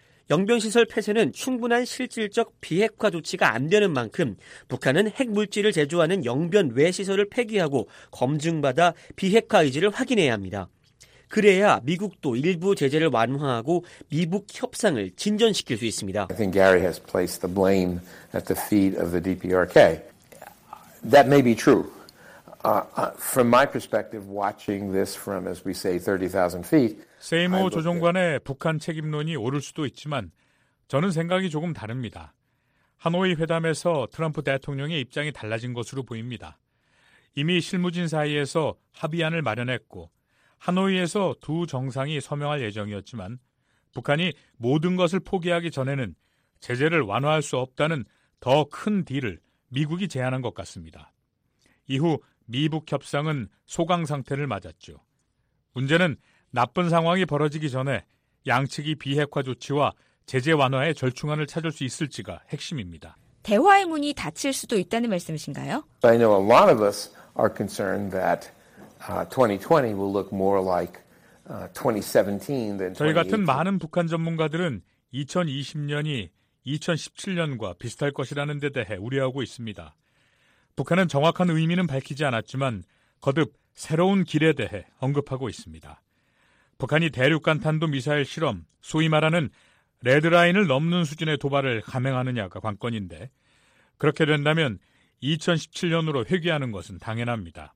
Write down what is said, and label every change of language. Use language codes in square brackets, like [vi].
[ko] 영변시설 폐쇄는 충분한 실질적 비핵화 조치가 안 되는 만큼 북한은 핵물질을 제조하는 영변 외 시설을 폐기하고 검증받아 비핵화 의지를 확인해야 합니다. 그래야 미국도 일부 제재를 완화하고 미북 협상을 진전시킬 수 있습니다. [en] I think Gary has placed the blame at the feet of the DPRK. That may be true. From my perspective, watching this from, as we say, 30,000 feet, [ko] 세이모 조정관의 북한 책임론이 옳을 수도 있지만 저는 생각이 조금 다릅니다. 하노이 회담에서 트럼프 대통령의 입장이 달라진 것으로 보입니다. 이미 실무진 사이에서 합의안을 마련했고 하노이에서 두 정상이 서명할 예정이었지만 북한이 모든 것을 포기하기 전에는 제재를 완화할 수 없다는 더 큰 딜을 미국이 제안한 것 같습니다. 이후 미북 협상은 소강 상태를 맞았죠. 문제는 나쁜 상황이 벌어지기 전에 양측이 비핵화 조치와 제재 완화의 절충안을 찾을 수 있을지가 핵심입니다. 대화의 문이 닫힐 수도 있다는 말씀이신가요? [en] I know a lot of us are concerned that 2020 will look more like 2017 than 2018. [ko] 저희 같은 많은 북한 전문가들은 2020년이 2017년과 비슷할 것이라는 데 대해 우려하고 있습니다. 북한은 정확한 의미는 밝히지 않았지만 거듭 새로운 길에 대해 언급하고 있습니다. 북한이 대륙간탄도미사일 실험, 소위 말하는 레드라인을 넘는 수준의 도발을 감행하느냐가 관건인데 그렇게 된다면 2017년으로 회귀하는 것은 당연합니다.